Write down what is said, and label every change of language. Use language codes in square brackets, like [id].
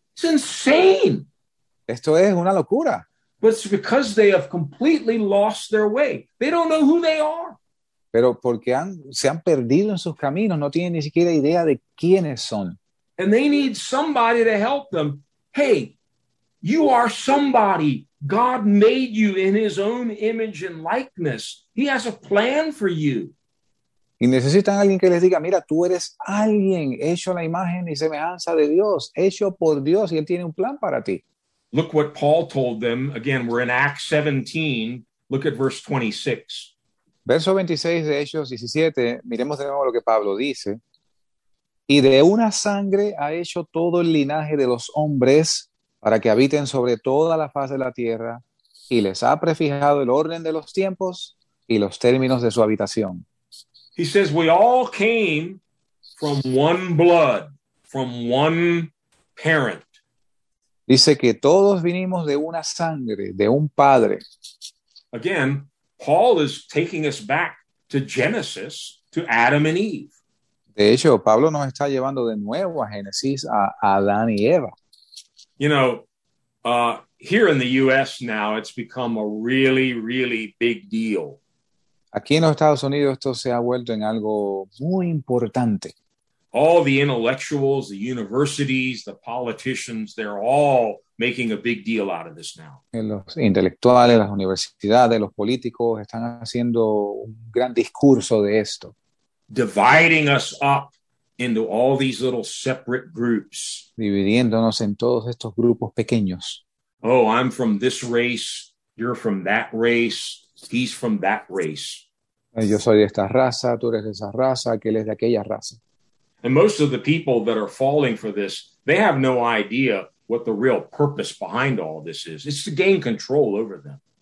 [en] It's insane. [es] Esto es una locura. [en] But it's because they have completely lost their way. They don't know who they are. [es] Pero porque se han perdido en sus caminos, no tienen ni siquiera idea de quiénes son. [en] And they need somebody to help them. Hey, you are somebody. God made you in his own image and likeness. He has a plan for you. [es] Y necesitan alguien que les diga, mira, tú eres alguien hecho a la imagen y semejanza de Dios, hecho por Dios, y él tiene un plan para ti. [en] Look what Paul told them. Again, we're in Acts 17. Look at verse 26. [es] Verso 26 de Hechos 17, miremos de nuevo lo que Pablo dice. Y de una sangre ha hecho todo el linaje de los hombres para que habiten sobre toda la faz de la tierra y les ha prefijado el orden de los tiempos y los términos de su habitación. [en] He says, we all came from one blood, from one parent. [es] Dice que todos vinimos de una sangre, de un padre. [en] Again, Paul is taking us back to Genesis, to Adam and Eve. [es] De hecho, Pablo nos está llevando de nuevo a Génesis, a Adán y Eva. [en] You know, here in the U.S. now, it's become a really, really big deal. [es] Aquí en los Estados Unidos, esto se ha vuelto en algo muy importante. [en] All the intellectuals, the universities, the politicians, they're all making a big deal out of this now. [es] Los intelectuales, las universidades, los políticos están haciendo un gran discurso de esto. [en] Dividing us up into all these little separate groups. [es] Dividiéndonos en todos estos grupos pequeños. [en] Oh, I'm from this race, you're from that race, he's from that race. [es] Yo soy de esta raza, tú eres de esa raza, aquel es de aquella raza. [en] And most of the people that are falling for this, they have no idea what the real purpose behind all this is. It's to gain control over them.